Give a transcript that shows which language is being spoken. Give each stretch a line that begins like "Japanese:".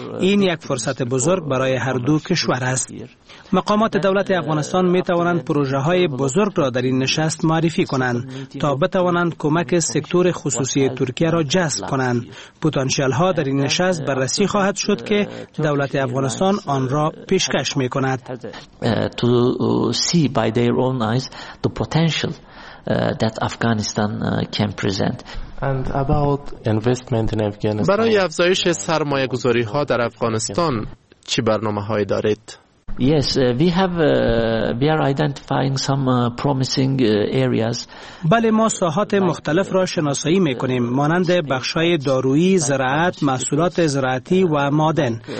Persian: این یک فرصت بزرگ برای هر دو کشور است. مقامات دولت افغانستان می توانند پروژه های بزرگ را در این نشست معرفی کنند تا بتوانند کمک سکتور خصوصی ترکیه را جذب کنند. پتانسیل ها در این نشست بررسی خواهد شد که دولت افغانستان آن را پیشکش می کند.
English: To see by their own eyes the potential that Afghanistan can present. And about investment in Afghanistan.
Persian: برای افزایش سرمایه گذاری ها در افغانستان چه برنامه هایی دارید؟
English: Yes, we are identifying some promising areas.
Persian: بله، ما ساحات مختلف را شناسایی میکنیم، مانند بخشای دارویی، زراعت، محصولات زراعتی و مادن.